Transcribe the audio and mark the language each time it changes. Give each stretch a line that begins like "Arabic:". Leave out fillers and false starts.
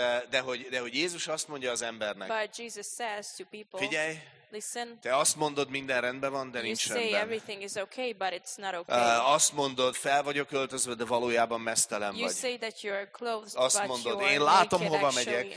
Hungarian: De hogy Jézus azt mondja az embernek.
English: But Jesus says to people,
Hungarian: figyelj,
English: listen,
Hungarian: te azt mondod, minden rendben van, de nincs rendben.
English: You say everything is okay, but it's not okay.
Hungarian: Azt mondod, fel vagyok öltözve, de valójában mesztelen vagy.
English: You say that you are clothed,
Hungarian: azt mondod, én látom, hova megyek,